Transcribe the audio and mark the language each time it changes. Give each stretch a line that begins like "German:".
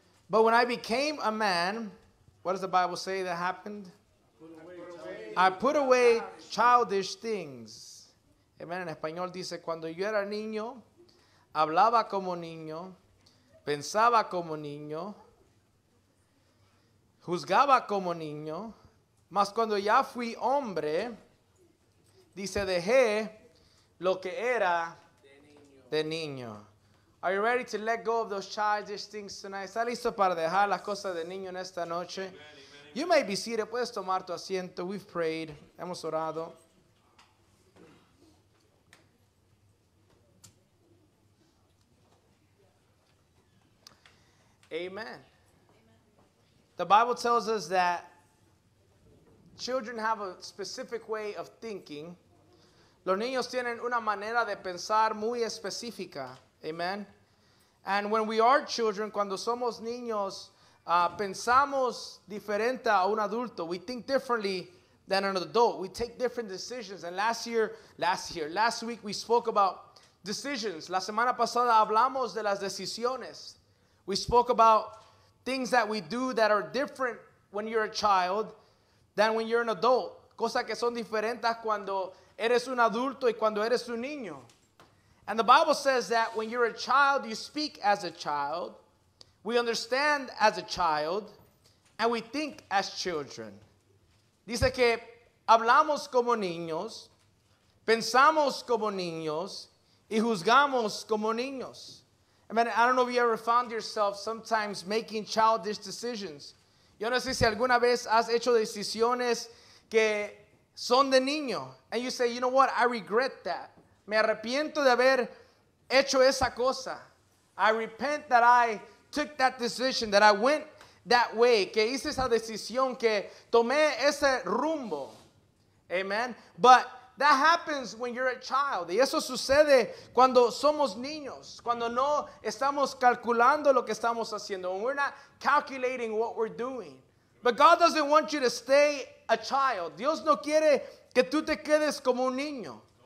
English: But when I became a man, what does the Bible say that happened? I put away childish things. Amen.
Spanish: En español dice, cuando yo era niño, hablaba como niño, pensaba como niño, juzgaba como niño, mas cuando ya fui hombre, dice, dejé lo que era de niño.
English: Are you ready to let go of those childish things tonight?
Spanish: ¿Está listo para dejar las cosas de niño en esta noche?
English: You may be seated.
Spanish: Puedes tomar tu asiento.
English: We've prayed.
Spanish: Hemos orado.
English: Amen. The Bible tells us that children have a specific way of thinking.
Spanish: Los niños tienen una manera de pensar muy específica. Amen.
English: And when we are children,
Spanish: cuando somos niños, pensamos diferente a un adulto.
English: We think differently than an adult. We take different decisions. And last week we spoke about decisions.
Spanish: La semana pasada hablamos de las decisiones.
English: We spoke about things that we do that are different when you're a child than when you're an adult.
Spanish: Cosas que son diferentes cuando eres un adulto y cuando eres un niño.
English: And the Bible says that when you're a child, you speak as a child. We understand as a child. And we think as children.
Spanish: Dice que hablamos como niños, pensamos como niños, y juzgamos como niños.
English: I mean, I don't know if you ever found yourself sometimes making childish decisions.
Spanish: Yo no sé si alguna vez has hecho decisiones que son de niño.
English: And you say, you know what? I regret that.
Spanish: Me arrepiento de haber hecho esa cosa.
English: I repent that I took that decision, that I went that way.
Spanish: Que hice esa decisión, que tomé ese rumbo. Amen.
English: But that happens when you're a child.
Spanish: Y eso sucede cuando somos niños. Cuando no estamos calculando lo que estamos haciendo.
English: When we're not calculating what we're doing. But God doesn't want you to stay a child.
Spanish: Dios no quiere que tú te quedes como un niño.